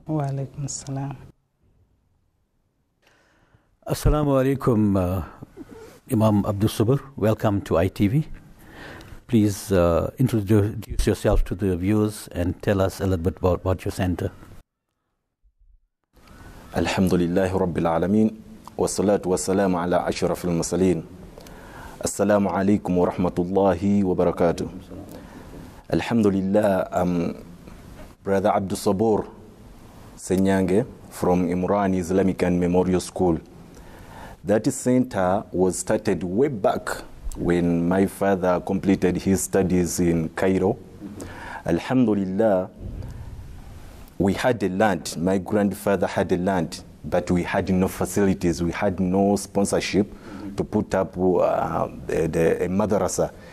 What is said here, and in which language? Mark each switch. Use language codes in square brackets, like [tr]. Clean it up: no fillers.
[en] Wa alaikum assalam. Assalamu alaikum, Imam Abdul Subur. Welcome to ITV. Please introduce yourself to the viewers and tell us a little bit about your center. [ar] الحمد لله رب العالمين والصلاة والسلام على أشرف المرسلين السلام عليكم ورحمة الله وبركاته الحمد لله brother عبد الصبور سنيانجي [en] from Imran Islamic and Memorial School. That center was started way back when my father completed his studies in Cairo. [ar] الحمد لله. [en] We had a land, my grandfather had a land, but we had no facilities, we had no sponsorship to put up a madrasa.